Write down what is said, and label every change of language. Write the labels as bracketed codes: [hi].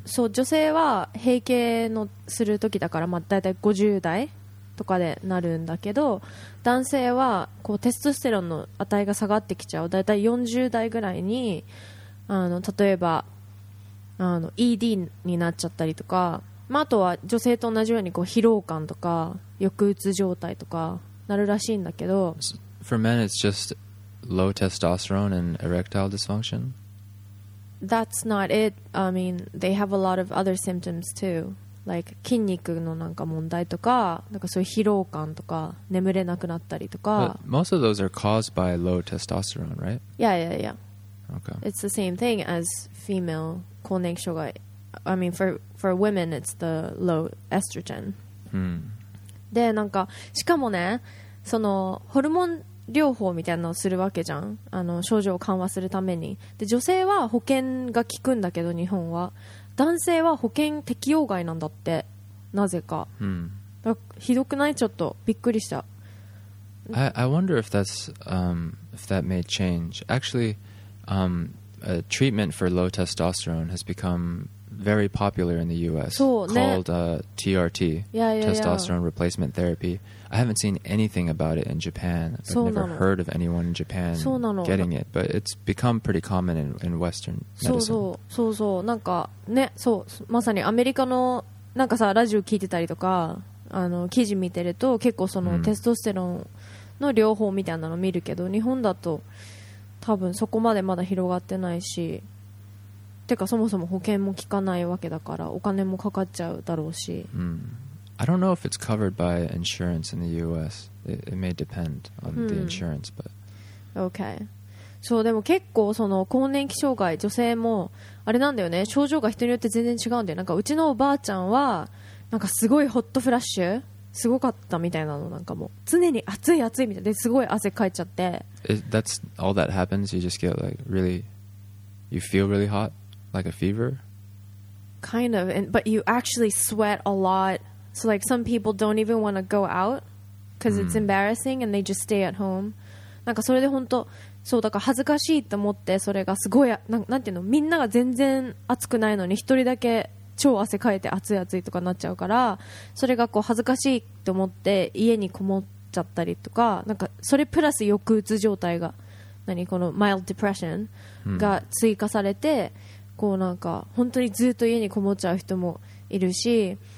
[ja] そう、女性は閉経のする時だから、まあ、大体50代とかでなるんだけど、男性はこうテストステロンの値が下がってきちゃう、大体40代ぐらいに、あの、例えばあの ED になっちゃったりとか、まあ、あとは女性と同じようにこう疲労感とか抑うつ状態とかなるらしいんだけど、 [en] For men it's just low testosterone and erectile dysfunction That's not it. I mean, they have a lot of other symptoms too. [ja] Like, 筋肉のなんか問題とか、なんかそういう疲労感とか、眠れなくなったりとか。 [en] But most of those are caused by low testosterone, right? Yeah, yeah, yeah. Okay. It's the same thing as female 更年期障害. I mean, for women, it's the low estrogen. Hmm. [ja] で、なんか、しかもね、その、ホルモン、療法みたいなのをするわけじゃん、あの症状を緩和するために。で、女性は保険が効くんだけど、日本は男性は保険適用外なんだって、なぜか。だからひどくない？ちょっとびっくりした。 [en] I wonder if that's、if that may change. Actually、a treatment for low testosterone has become very popular in the US、 [ja] そうね、 [en] called、TRT yeah, yeah, yeah. Testosterone Replacement TherapyI haven't seen anything about it in Japan. I've never heard of anyone in Japan getting it, but it's become pretty common in Western medicine. [ja] そうそうそう、なんかね、そう、まさにアメリカのなんかさ、ラジオ聞いてたりとか、あの記事見てると結構そのテストステロンの療法みたいなの見るけど、日本だと多分そこまでまだ広がってないし、てかそもそも保険も効かないわけだから、お金もかかっちゃうだろうし。 [en] I don't know if it's covered by insurance in the U.S. It may depend on the insurance, but okay. [ja] そう、でも結構その更年期障害、女性もあれなんだよね。症状が人によって全然違うんだよ。なんかうちのおばあちゃんはなんかすごいホットフラッシュ、すごかったみたいなの、なんかもう常に暑い暑いみたいで、すごい汗かいちゃって。 [en] That's all that happens. You just get like really, you feel really hot, like a fever. Kind of, but you actually sweat a lot. So like some people don't even want to go out because it's embarrassing and they just stay at home. [ja] なんかそれで本当、そうだから恥ずかしいと思って、それがすごい、なんていうの、みんなが全然暑くないのに一人だけ超汗かいて暑い暑いとかなっちゃうから、それがこう恥ずかしいと思って家にこもっちゃったりとか、なんかそれプラス抑うつ状態が、何この [en] mild depression [ja] が追加されて、こうなんか本当にずっと家にこもっちゃう人もいるし。